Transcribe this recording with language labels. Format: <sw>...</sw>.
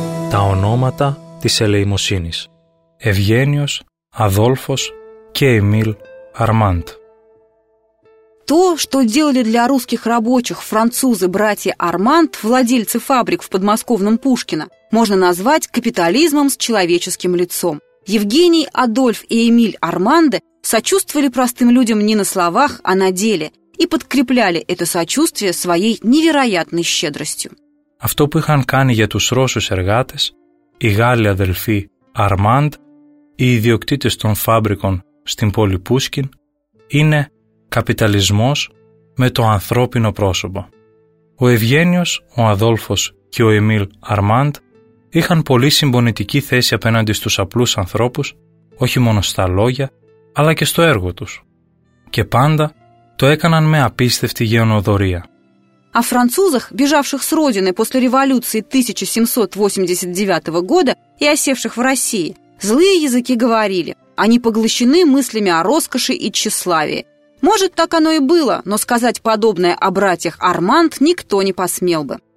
<el>Τα ονόματα της ελεημοσύνης. Ευγένιος, Αδόλφος και Εμίλ Αρμάντ.</el> <ru>То, что делали для русских рабочих французы братья Арманд, владельцы фабрик в подмосковном Пушкино, можно назвать капитализмом с человеческим лицом. Евгений, Адольф и Эмиль Арманде сочувствовали простым людям не на словах, а на деле и подкрепляли это сочувствие своей невероятной щедростью.</ru> <el>Авто που είχαν κάνει για τους Ρώσους εργάτες, οι Γάλλοι αδελφοί Αρμάντ, οι ιδιοκτήτες των φάμπρικων στην πόλη Πούσκιν, είναι καπιταλισμός με το ανθρώπινο πρόσωπο. Ο Ευγένιος, ο Αδόλφος και ο Εμίλ Αρμάντ είχαν πολύ συμπονητική θέση απέναντι στους απλούς ανθρώπους, όχι μόνο στα λόγια, αλλά και στο έργο τους. Και πάντα το έκαναν με απίστευτη γενναιοδωρία.</el> <ru>О французах, бежавших с родины после революции 1789 года и осевших в России, злые языки говорили: они поглощены мыслями о роскоши и тщеславии. Может, так оно и было, но сказать подобное о братьях Арманд никто не посмел бы.</ru>